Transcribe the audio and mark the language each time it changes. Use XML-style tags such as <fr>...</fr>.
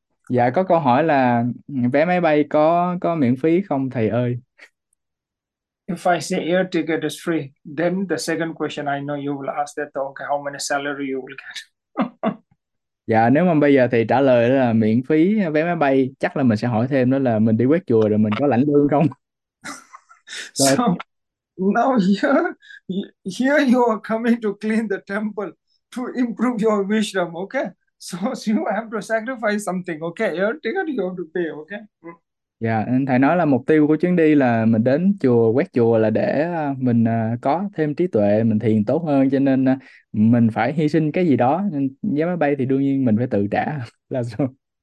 <vi>Dạ, có câu hỏi là vé máy bay có miễn phí không thầy ơi?</vi> <en>If I say air ticket is free, then the second question I know you will ask that, okay, how many salary you will get.</en> <vi>Dạ, nếu mà bây giờ thì trả lời là miễn phí vé máy bay, chắc là mình sẽ hỏi thêm đó là mình đi quét chùa rồi mình có lãnh lương không? Rồi.</vi> <en>So now here you are coming to clean the temple to improve your wisdom, okay? So you have to sacrifice something, okay? Your ticket you have to pay, okay?</en> <vi>Dạ, thầy nói là mục tiêu của chuyến đi là mình đến chùa, quét chùa là để mình có thêm trí tuệ, mình thiền tốt hơn, cho nên mình phải hy sinh cái gì đó, nên vé máy bay thì đương nhiên mình phải tự trả là sao.</vi>